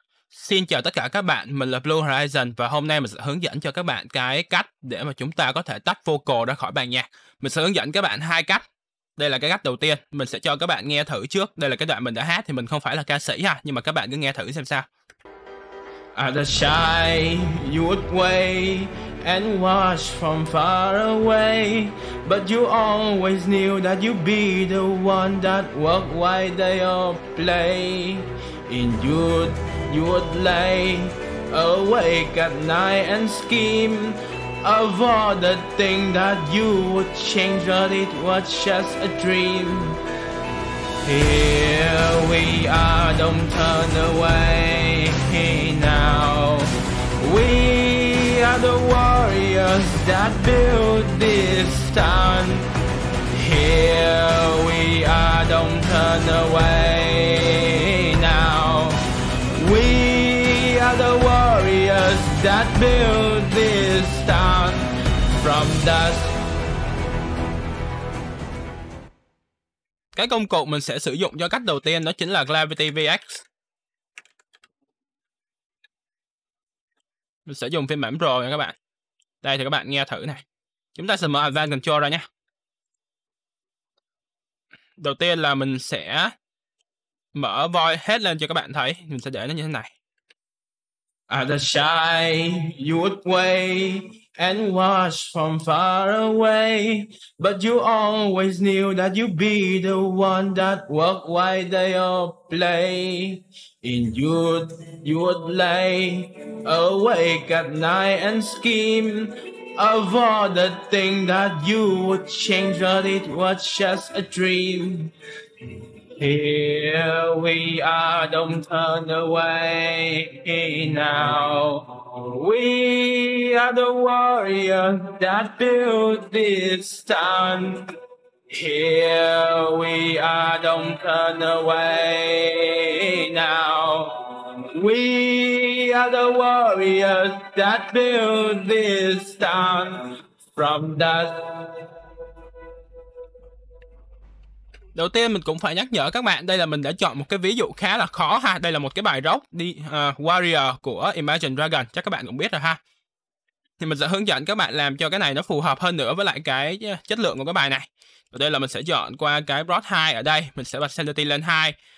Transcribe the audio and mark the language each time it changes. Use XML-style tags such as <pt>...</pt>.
<vi>Xin chào tất cả các bạn, mình là Blue Horizon và hôm nay mình sẽ hướng dẫn cho các bạn cái cách để mà chúng ta có thể tách vocal ra khỏi bản nhạc. Mình sẽ hướng dẫn các bạn hai cách. Đây là cái cách đầu tiên, mình sẽ cho các bạn nghe thử trước. Đây là cái đoạn mình đã hát, thì mình không phải là ca sĩ ha, nhưng mà các bạn cứ nghe thử xem sao.</vi> <en>I'd shy, you would wait and watch from far away, but you always knew that you'd be the one that work while they all play. In youth, you would lay awake at night and scheme of all the things that you would change, but it was just a dream. Here we are, don't turn away now. We are the warriors that built this town. Here we are, don't turn away now. We are the warriors that built this town from dust.</en> <vi>Cái công cụ mình sẽ sử dụng cho cách đầu tiên đó chính là Gravity VX. Mình sẽ dùng phiên bản Pro nha các bạn. Đây thì các bạn nghe thử này. Chúng ta sẽ mở Advanced Control ra nha. Đầu tiên là mình sẽ mở Voice hết lên cho các bạn thấy. Mình sẽ để nó như thế này.</vi> <en>I'd shy, you would wait and watch from far away, but you always knew that you'd be the one that work while they all play. In youth, you would lay awake at night and scheme of all the things that you would change, but it was just a dream. Here we are, don't turn away now. We are the warriors that built this town. Here we are, don't turn away now. We are the warriors that built this town from dust.</en> <vi>Đầu tiên mình cũng phải nhắc nhở các bạn, đây là mình đã chọn một cái ví dụ khá là khó ha. Đây là một cái bài rock đi Warrior của Imagine Dragon, chắc các bạn cũng biết rồi ha. Thì mình sẽ hướng dẫn các bạn làm cho cái này nó phù hợp hơn nữa với lại cái chất lượng của cái bài này. Ở đây là mình sẽ chọn qua cái Broad 2 ở đây, mình sẽ bật Sanity lên 2.</vi>